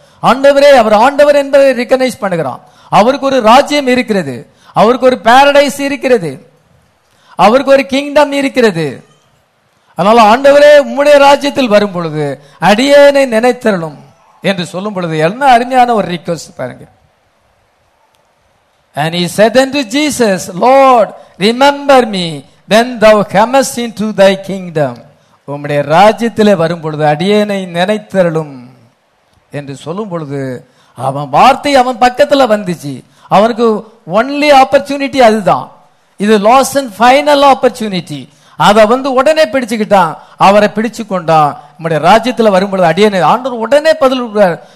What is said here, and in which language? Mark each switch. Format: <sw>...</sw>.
<ta>ஆண்டவரே, அவர் ஆண்டவர் என்பதை ரெகனைஸ் பண்ணுகிறான். அவருக்கு ஒரு ராஜ்யம் இருக்கிறது, அவருக்கு ஒரு பாரடைஸ் இருக்கிறது, அவருக்கு ஒரு கிங்டம் இருக்கிறது. அதனால ஆண்டவரே, உம்முடைய ராஜ்யத்தில் வரும் பொழுது அடியேனை நினைத்தரணும் என்று சொல்லும் பொழுது என்ன அருமையான ஒரு ரிக்வெஸ்ட் பாருங்க.</ta> <en>And he said unto Jesus, Lord, remember me when thou comest into thy kingdom.</en> <ta>உம்முடைய ராஜ்யத்திலே வரும் பொழுது அடியேனை நினைத்தரணும் என்று சொல்லும் பொழுது அவன் வார்த்தை அவன் பக்கத்துல வந்துச்சு. அவனுக்கு ஒன்லி ஆப்பர்ச்சுனிட்டி அதுதான். இது லாஸ்ட் அண்ட் ஃபைனல் ஆப்பர்ச்சுனிட்டி. அதை வந்து உடனே பிடிச்சுக்கிட்டான், அவரை பிடிச்சு கொண்டான். நம்முடைய ராஜ்யத்தில் வரும்பொழுது அடியேன் ஆண்டவர் உடனே பதில் கொடுக்கிறார்.</ta>